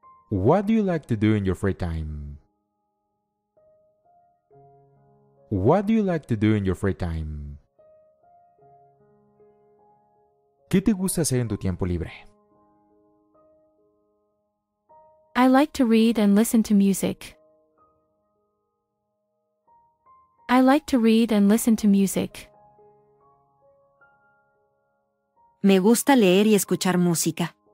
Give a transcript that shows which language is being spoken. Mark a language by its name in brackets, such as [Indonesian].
[English] What do you like to do in your free time? What do you like to do in your free time? [Spanish] ¿Qué te gusta hacer en tu tiempo libre? [English] I like to read and listen to music. I like to read and listen to music. [Spanish] Me gusta leer y escuchar música.